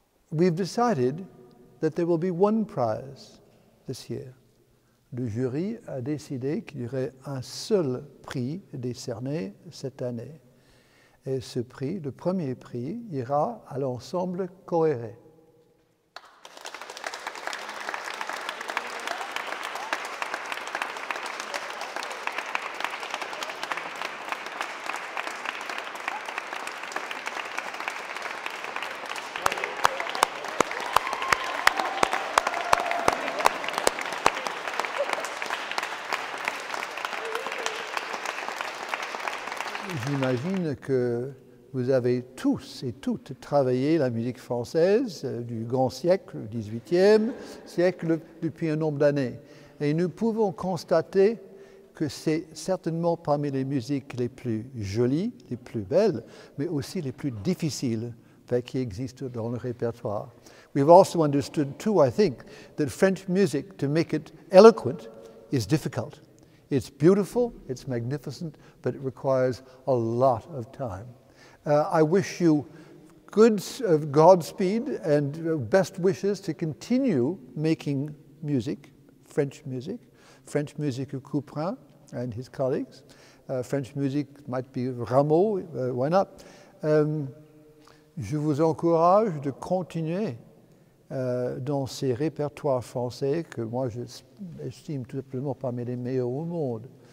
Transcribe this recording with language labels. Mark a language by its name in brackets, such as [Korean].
[English] We've decided that there will be one prize this year. [French] Le jury a décidé qu'il y aurait un seul prix décerné cette année. Et ce prix, le premier prix, ira à l'ensemble Coeré. J'imagine que vous avez tous et toutes travaillé la musique française du grand siècle, du XVIIIe siècle, depuis un nombre d'années. Et nous pouvons constater que c'est certainement parmi les musiques les plus jolies, les plus belles, mais aussi les plus difficiles qui existent dans le répertoire. [English] We've also understood too, I think, that French music, to make it eloquent, is difficult. It's beautiful, it's magnificent, but it requires a lot of time. I wish you good Godspeed and best wishes to continue making French music of Couperin and his colleagues. French music might be Rameau, why not? [French] Je vous encourage de continuer dans ces répertoires français que moi j'estime tout simplement parmi les meilleurs au monde.